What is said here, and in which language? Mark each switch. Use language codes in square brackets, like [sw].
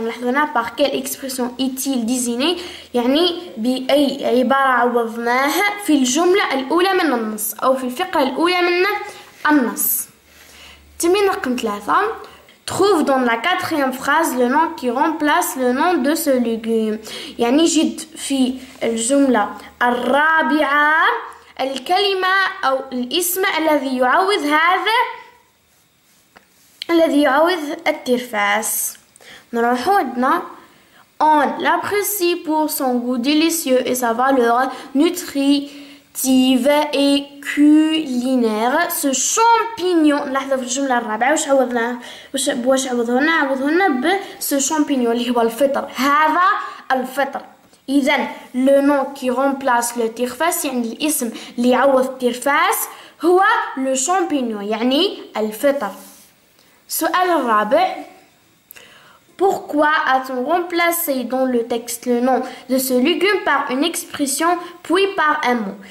[ar] نلاحظوا [fr] par quelle expression est-il désigné [ar] يعني بأي عبارة عوضناه في الجملة الأولى من النص أو في الفقرة الأولى من النص. تمرين رقم 3. [fr] Trouve dans la quatrième phrase le nom qui remplace le nom de ce légume. [ar] يعني جد في الجملة الرابعة الكلمة أو الاسم الذي يعوض هذا الذي يعوض الترفاس. نروحو عندنا [fr] on l'apprécie pour son goût délicieux et sa valeur nutritive et culinaire. Ce champignon, [ar] لحظة في الجملة الرابعة واش عوضنا واش عوضنا عوضنا ب ce champignon اللي هو الفطر هذا الفطر. إذن [fr] le nom qui remplace le tirfas, [ar] يعني الاسم اللي يعوض التيرفاس هو le champignon, يعني الفطر. سؤال الرابع [fr] pourquoi a-t-on remplacé dans le texte le nom de ce légume par une expression puis par un mot?